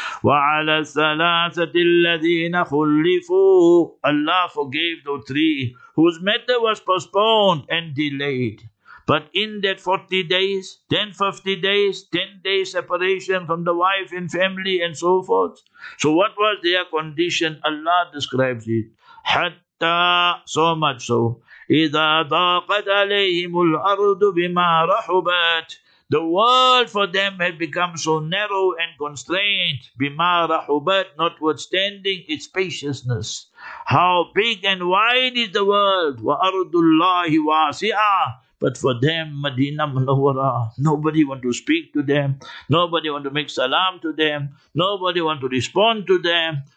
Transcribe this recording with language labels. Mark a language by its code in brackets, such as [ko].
[ar] Wa ala thalathati alladhina khulifu. [en] Allah forgave those three whose matter was postponed and delayed. But in that 40 days, then 50 days, 10 days separation from the wife and family and so forth. So what was their condition? Allah describes it. [ar] Hatta, [en] so much so. [ar] إِذَا ضَاقَتْ عَلَيْهِمُ الْأَرْضُ بِمَا رَحُبَتْ, [en] The world for them had become so narrow and constrained, [ar] bima rahubat, [en] notwithstanding its spaciousness. How big and wide is the world, [ar] wa ardullahi wasi'a. [en] But for them, Madina Munawwara, nobody want to speak to them, nobody want to make salam to them, nobody want to respond to them.